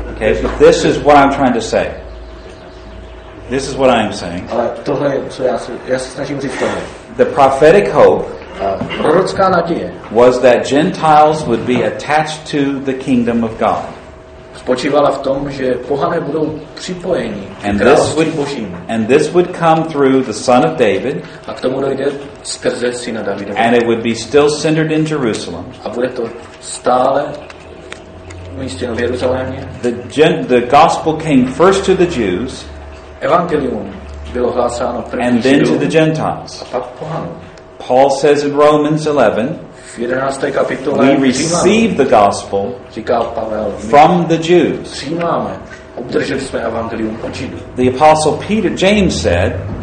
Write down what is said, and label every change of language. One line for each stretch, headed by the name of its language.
English: Okay, so this is what I'm trying to say. This is what I'm saying.
Czech: Ale tohle je, co já se snažím říct tohle.
English: The prophetic hope.
Czech: Prorocká naděje.
English: Was that Gentiles would be attached to the kingdom of God.
Czech: Spočívala v tom, že pohané budou připojeni království božím.
English: And this would come through the son of David.
Czech: A k tomu dojde skrze syna Davida.
English: And it would be still centered in Jerusalem.
Czech: A bude to stále umístěno v Jeruzalémě.
English: The gospel came first to the Jews.
Czech: Evangelium bylo hlásáno první Židům.
English: And then to the Gentiles.
Czech: A pak pohanům.
English: Paul says in Romans 11.
Czech: V 11. kapitole
English: we receive the gospel,
Czech: říká Pavel,
English: from the Jews.
Czech: Přijímáme, obdrželi jsme evangelium od Židů.
English: The apostle Peter James said